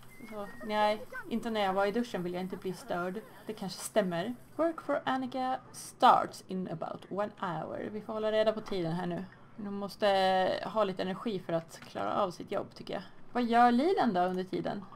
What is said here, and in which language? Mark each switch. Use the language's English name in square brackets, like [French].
[Swedish] Så, nej, inte när jag var i duschen vill jag inte bli störd. Det kanske stämmer. [English] Work for Annika starts in about 1 hour. [Swedish] Vi får hålla reda på tiden här nu. Hon måste ha lite energi för att klara av sitt jobb, tycker jag. Vad gör Liland då under tiden?